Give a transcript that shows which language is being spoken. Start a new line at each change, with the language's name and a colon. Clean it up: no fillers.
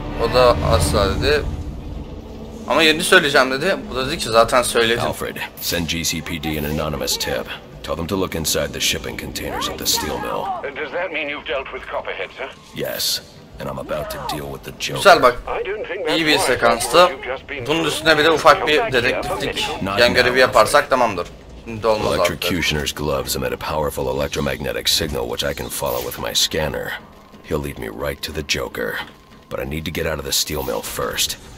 Turkish: O da asla dedi. Ama yerini söyleyeceğim dedi. Bu da dedi ki zaten söyledim.
English: Alfred, send GCPD an anonymous tip. Tell them to look inside the shipping containers at the steel mill. Does that mean you've dealt with Copperhead, sir? Yes, and I'm about to deal with the Joker.
Turkish: Güzel bak, iyi bir sekanstı. Bunun üstüne bir de ufak bir dedektiflik yan görevi yaparsak tamamdır.
English: Electrocutioner's gloves emit a powerful electromagnetic signal which I can follow with my scanner. He'll lead me right to the Joker. But I need to get out of the steel mill first.